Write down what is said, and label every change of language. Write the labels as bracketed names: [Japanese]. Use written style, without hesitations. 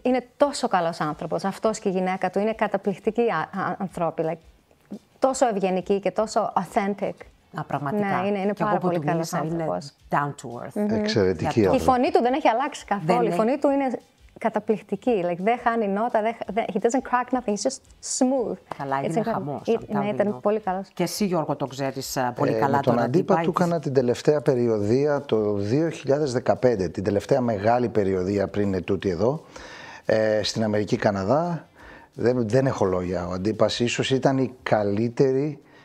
[Greek] Είναι τόσο καλός άνθρωπος. Αυτός και η γυναίκα του είναι καταπληκτικοί άνθρωποι. Like, τόσο ευγενικοί και τόσο [English] authentic. [Greek] Πραγματικά. Ναι, είναι πάρα πολύ καλός άνθρωπος. [English] Down to earth. [Greek] Mm-hmm. Εξαιρετική άνθρωπος. Η φωνή του δεν έχει αλλάξει καθόλου. Η φωνή του είναι καταπληκτική. Like, δεν χάνει νότα. [English] He doesn't crack nothing. He's just smooth. [Greek] Καλά, είναι χαμός. Ναι, ήταν πολύ καλός. Και εσύ, Γιώργο, το ξέρεις πολύ καλά. Με τον Αντίπα του έκανα την τελευταία περιοδία το 2015. Την τελευταία μεγάλη περιοδία πριν είναι τούτη εδώ. Στην Αμερική, Καναδά. Δεν έχω λόγια. Ο Αντίπας ίσως ήταν η καλύτερη.